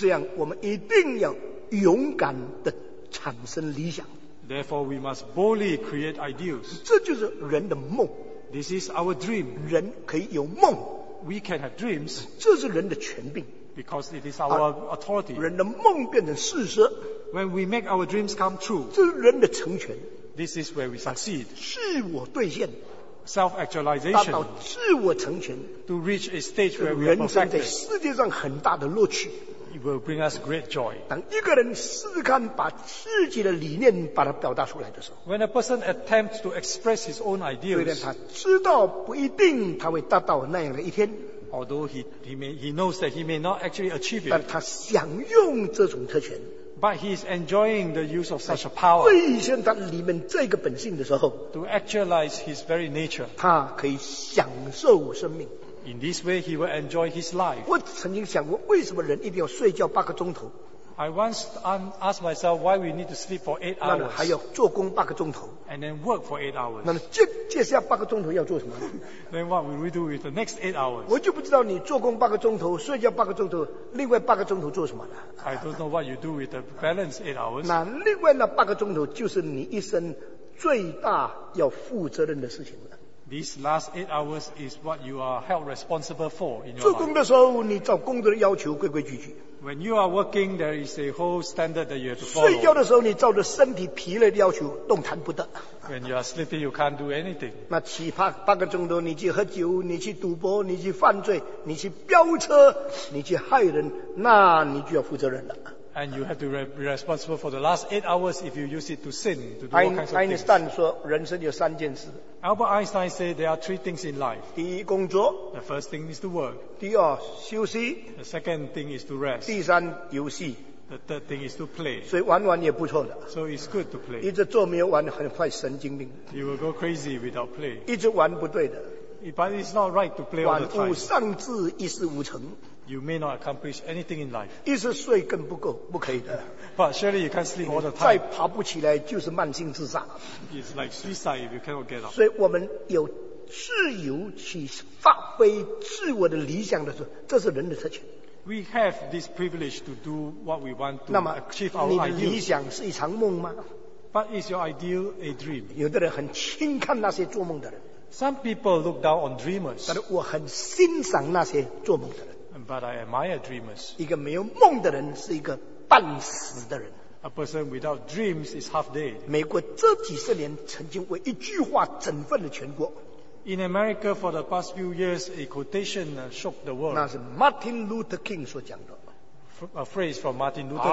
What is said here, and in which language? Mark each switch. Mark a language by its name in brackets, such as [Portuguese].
[Chinese] 这样，我们一定要勇敢的。产生理想 [English] Therefore, we must boldly create ideals. [Chinese] 这就是人的梦 [English] This is our dream. [Chinese] 人可以有梦 [English] We can have dreams. [Chinese] 这是人的权柄 [English] Because it is our authority. [Chinese] 人的梦变成事实 [English] When we make our dreams come true. [Chinese] 这是人的成全 [English] This is where we succeed. [Chinese] 自我兑现 [English] Self-actualization. [Chinese] 达到自我成全 [English] To reach a stage where we are perfected. [Chinese] 人生在世界上很大的乐趣 [English] It will bring us great joy. [Chinese] 当一个人试看把自己的理念把它表达出来的时候 [English] ，When a person attempts to express his own ideas， [Chinese] 虽然他知道不一定他会达到那样的一天 [English] ，Although he knows that he may not actually achieve it， [Chinese] 但他享用这种特权 [English] ，But he is enjoying the use of such a power。 [Chinese] 兑现他里面这个本性的时候 [English] ，To actualize his very nature， [Chinese] 他可以享受生命。 [English] In this way, he will enjoy his life. [Chinese] 我曾经想过，为什么人一定要睡觉八个钟头 [English] ？I once asked myself why we need to sleep for 8 hours. [Chinese] 那还要做工八个钟头 [English] ？And then work for 8 hours. [Chinese] 那接下八个钟头要做什么 [English] ？Then what will we do with the next 8 hours? [Chinese] 我就不知道你做工八个钟头，睡觉八个钟头，另外八个钟头做什么了 [English] ？I don't know what you do with the balance 8 hours. [Chinese] 那另外那八个钟头就是你一生最大要负责任的事情了。 [English] These last 8 hours is what you are held responsible for in your life. [Chinese] 做工的时候，你照工作的要求规规矩矩。 [English] When you are working, there is a whole standard that you have to follow. [Chinese] 睡觉的时候，你照着身体疲累的要求动弹不得。 [English] When you are sleeping, you can't do anything. [Chinese] 那七八八个钟头，你去喝酒，你去赌博，你去犯罪，你去飙车，你去害人，那你就要负责任了。 [English] And you have to be responsible for the last 8 hours if you use it to sin, to do all kinds of things. [Chinese] Einstein 说人生有三件事。 [English] Albert Einstein said there are 3 things in life. [Chinese] 第一，工作。 [English] The first thing is to work. [Chinese] 第二，休息。 [English] The second thing is to rest. [Chinese] 第三，游戏。 [English] The third thing is to play. [Chinese] 所以玩玩也不错的。 [English] So it's good to play. [Chinese] 一直做没有玩，很快神经病。 [English] You will go crazy without play. [Chinese] 一直玩不对的。 [English] But it's not right to play all the time. [Chinese] 玩物丧志，一事无成。 [English] You may not accomplish anything in life. [Chinese] 一直睡更不够，不可以的。 [English] But surely you can't sleep all the time. [Chinese] 再爬不起来就是慢性自杀。 [English] It's like suicide if you cannot get up. [Chinese] 所以我们有自由去发挥自我的理想的时候，这是人的特权。 [English] We have this privilege to do what we want to achieve our [Chinese] ideal. 那么，你的理想是一场梦吗 [English] ？But is your ideal a dream? [Chinese] 有的人很轻看那些做梦的人。 [English] Some people look down on dreamers. [Chinese] 但是我很欣赏那些做梦的人。 [English] But I admire dreamers. [Chinese] 一个没有梦的人是一个半死的人。 [English] A person without dreams is half dead. [Chinese] 美国这几十年曾经为一句话振奋了全国。 [English] In America for the past few years, a quotation shocked the world. [Chinese] 那是 Martin Luther King 所讲的。 [English] A phrase from Martin Luther King.